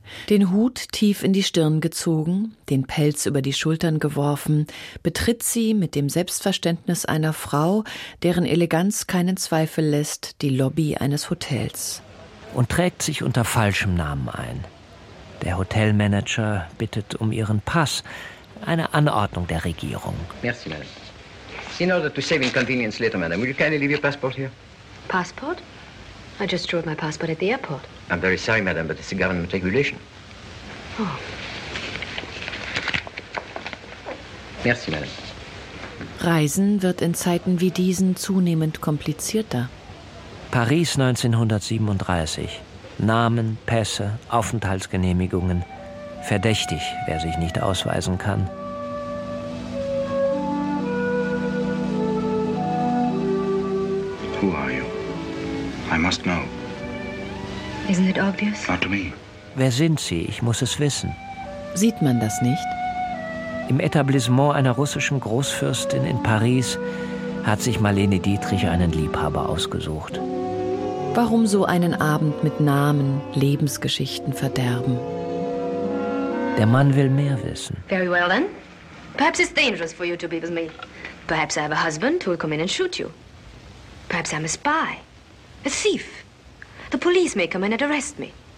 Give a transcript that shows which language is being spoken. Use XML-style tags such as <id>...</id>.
<de>Den Hut tief in die Stirn gezogen, den Pelz über die Schultern geworfen, betritt sie mit dem Selbstverständnis einer Frau, deren Eleganz keinen Zweifel lässt, die Lobby eines Hotels. Und trägt sich unter falschem Namen ein. Der Hotelmanager bittet um ihren Pass, eine Anordnung der Regierung.</de> <fr>Merci, madame.</fr> <en>In order to save inconvenience later, madame, will you kindly leave your passport here? Passport? I just drew my passport at the airport. I'm very sorry, madame, but it's a government regulation. Oh.</en> <fr>Merci, madame.</fr> <de>Reisen wird in Zeiten wie diesen zunehmend komplizierter. Paris 1937. Namen, Pässe, Aufenthaltsgenehmigungen. Verdächtig, wer sich nicht ausweisen kann.</de> <en>Who are you? I must know. Isn't it obvious? Not to me.</en> <de>Wer sind Sie? Ich muss es wissen. Sieht man das nicht? Im Etablissement einer russischen Großfürstin in Paris hat sich Marlene Dietrich einen Liebhaber ausgesucht. Warum so einen Abend mit Namen, Lebensgeschichten verderben? Der Mann will mehr wissen.</de> <en>Very well then. Perhaps it's dangerous for you to be with me. Perhaps I have a husband who will come in and shoot you. Perhaps I'm a spy. A thief. The police may come in and arrest me.</en>